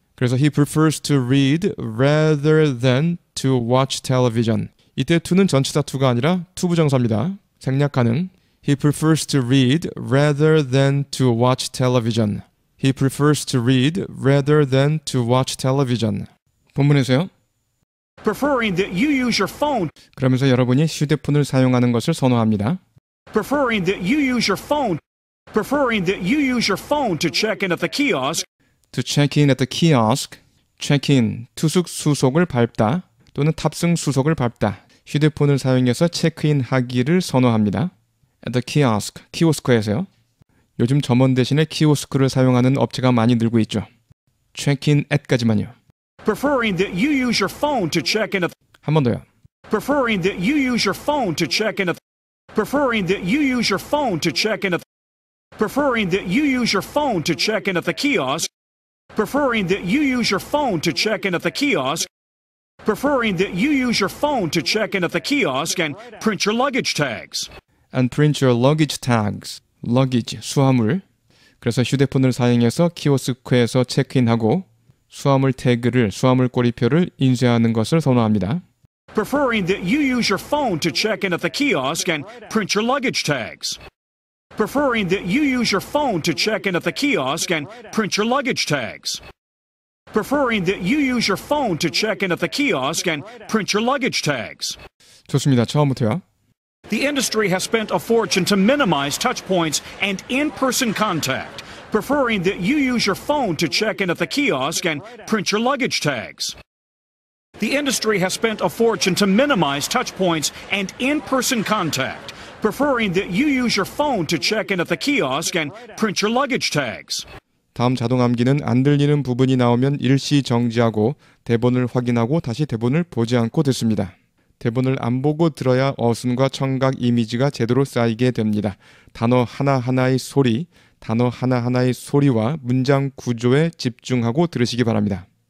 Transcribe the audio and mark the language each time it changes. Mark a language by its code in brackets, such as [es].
[en] 그래서 he prefers to read rather than to watch television. [ko] 이때 to는 전치사 to가 아니라 to 부정사입니다. 생략 가능. [en] He prefers to read rather than to watch television. He prefers to read rather than to watch television. [ko] 본문에서요. [en] Preferring that you use your phone. [ko] 그러면서 여러분이 휴대폰을 사용하는 것을 선호합니다. [en] Preferring that you use your phone. Preferring that you use your phone to check in at the kiosk. To check in at the kiosk. Check in. [ko] 투숙 수속을 밟다 또는 탑승 수속을 밟다. 휴대폰을 사용해서 체크인 하기를 선호합니다. [en] At the kiosk. [ko] 키오스크에서요. 요즘 점원 대신에 키오스크를 사용하는 업체가 많이 늘고 있죠. [en] Check in at까지만요. Preferring that you use your phone to check in at. [ko] 한 번 더요. [en] Preferring that you use your phone to check in at. Preferring that you use your phone to check in at. Preferring that you use your phone to check in at the kiosk. Preferring that you use your phone to check in at the kiosk. Preferring that you use your phone to check in at the kiosk and print your luggage tags. And print your luggage tags. Luggage, 수하물. [ko] 그래서 휴대폰을 사용해서 키오스크에서 체크인하고 수하물 태그를, 수하물 꼬리표를 인쇄하는 것을 선호합니다. [en] Preferring that you use your phone to check in at the kiosk and print your luggage tags. Preferring that you use your phone to check in at the kiosk and print your luggage tags. Preferring that you use your phone to check in at the kiosk and print your luggage tags. [ko] 좋습니다. 처음부터요. [en] The industry has spent a fortune to minimize touch points and in-person contact, preferring that you use your phone to check in at the kiosk and print your luggage tags. The industry has spent a fortune to minimize touch points and in-person contact, preferring that you use your phone to check in at the kiosk and print your luggage tags. [ko] 다음 자동 암기는 안 들리는 부분이 나오면 일시 정지하고 대본을 확인하고 다시 대본을 보지 않고 듣습니다. 대본을 안 보고 들어야 어순과 청각 이미지가 제대로 쌓이게 됩니다. 단어 하나하나의 소리, 단어 하나하나의 소리와 문장 구조에 집중하고 들으시기 바랍니다.